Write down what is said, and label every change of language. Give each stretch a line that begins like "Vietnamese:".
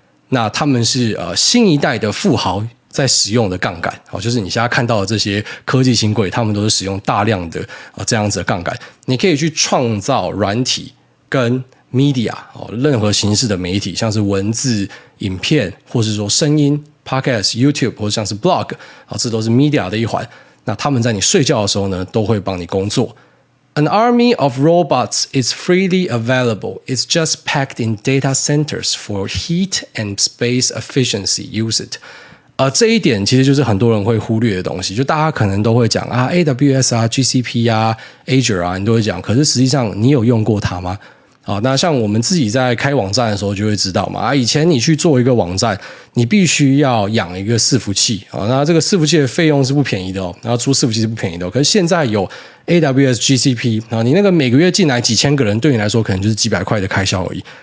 Chinese: 那他们是新一代的富豪在使用的杠杆，就是你现在看到的这些科技新贵，他们都是使用大量的这样子的杠杆。你可以去创造软体跟 Media， 任何形式的媒体，像是文字、影片，或是说声音 Podcast、YouTube， 或是像是 Blog， 这都是 Media 的一环。那他们在你睡觉的时候呢，都会帮你工作。
English: An army of robots is freely available. It's just packed in data centers for heat and space efficiency. Use it.
Chinese: 这一点其实就是很多人会忽略的东西。就大家可能都会讲啊 ，AWS 啊 ，GCP 啊 ，Azure 啊，你都会讲。可是实际上，你有用过它吗？那像我们自己在开网站的时候就会知道嘛，以前你去做一个网站，你必须要养一个伺服器，那这个伺服器的费用是不便宜的，然后租伺服器是不便宜的，可是现在有 AWS GCP， 你那个每个月进来几千个人，对你来说可能就是几百块的开销而已。